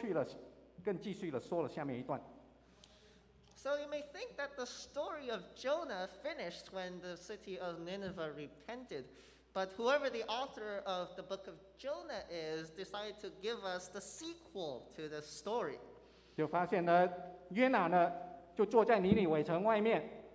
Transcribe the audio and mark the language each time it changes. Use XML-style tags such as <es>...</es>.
<zh>但是约拿书的结果，就是这个作者呢，就没有把故事就在尼尼微城悔改了之后就结束了，反而却说去了，更继续了说了下面一段。</zh> <en>So you may think that the story of Jonah finished when the city of Nineveh repented, but whoever the author of the book of Jonah is decided to give us the sequel to the story.</en> <zh>就发现呢，约拿呢，就坐在尼尼微城外面。</zh>